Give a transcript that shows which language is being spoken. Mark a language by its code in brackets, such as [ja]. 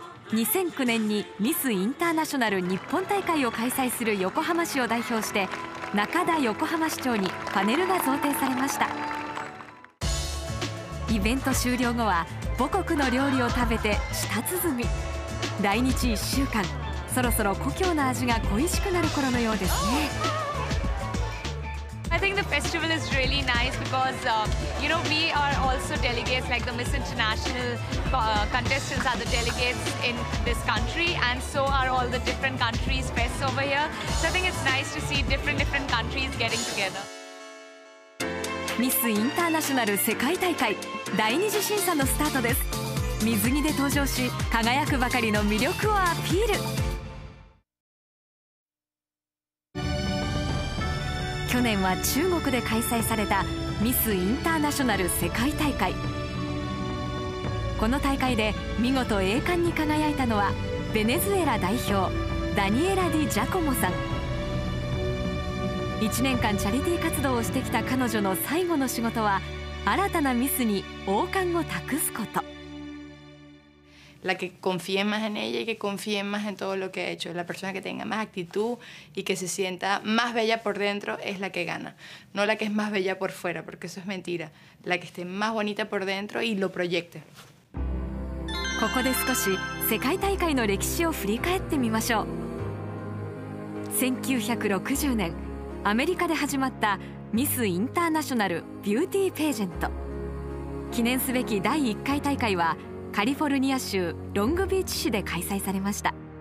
[ja] 2009年にミスインターナショナル日本大会を開催する横浜市を代表して、中田横浜市長にパネルが贈呈されました。イベント終了後は母国の料理を食べて舌鼓。来日1週間、そろそろ故郷の味が恋しくなる頃のようですね。 [en] I think the festival is really nice because you know, we are also delegates, like the Miss International contestants are the delegates in this country, and so are all the different countries' fests over here. So I think it's nice to see different countries getting together. [ja] ミスインターナショナル世界大会第二次審査のスタートです。水着で登場し、輝くばかりの魅力をアピール。去年は中国で開催されたミスインターナショナル世界大会。この大会で見事栄冠に輝いたのはベネズエラ代表ダニエラ・ディ・ジャコモさん。 1年間チャリティー活動をしてきた彼女の最後の仕事は、新たなミスに王冠を託すこと。 [es] La que confíe más en ella y que confíe más en todo lo que ha hecho. La persona que tenga más actitud y que se sienta más bella por dentro es la que gana. No la que es más bella por fuera, porque eso es mentira. La que esté más bonita por dentro y lo proyecte. [ja] ここで少し世界大会の歴史を振り返ってみましょう。 1960年アメリカで始まったミス・インターナショナル・ビューティー・ページェント。記念すべき第1回大会はカリフォルニア州ロングビーチ市で開催されました。